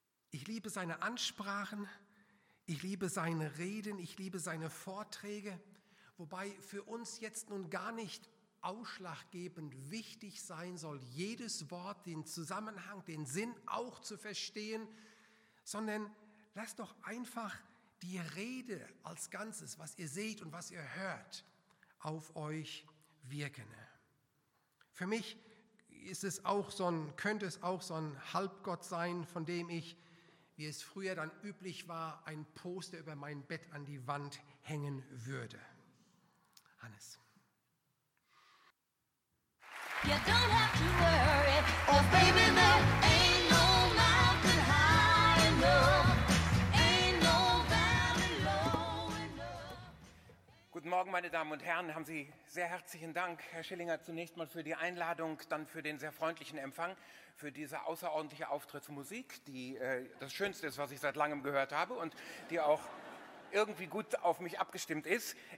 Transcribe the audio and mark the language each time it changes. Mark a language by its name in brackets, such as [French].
[German] Ich liebe seine Ansprachen, ich liebe seine Reden, ich liebe seine Vorträge, wobei für uns jetzt nun gar nicht ausschlaggebend wichtig sein soll, jedes Wort, den Zusammenhang, den Sinn auch zu verstehen, sondern lasst doch einfach die Rede als Ganzes, was ihr seht und was ihr hört, auf euch wirken. Für mich ist es auch so ein, könnte es auch so ein Halbgott sein, von dem ich, wie es früher dann üblich war, ein Poster über mein Bett an die Wand hängen würde. Hannes. [English] You don't have to worry, oh baby, there ain't no mountain high enough, ain't no valley low enough. [German] Guten Morgen, meine Damen und Herren, haben Sie sehr herzlichen Dank, Herr Schillinger, zunächst mal für die Einladung, dann für den sehr freundlichen Empfang, für diese außerordentliche Auftrittsmusik, die das Schönste ist, was ich seit langem gehört habe und die auch irgendwie gut auf mich abgestimmt ist.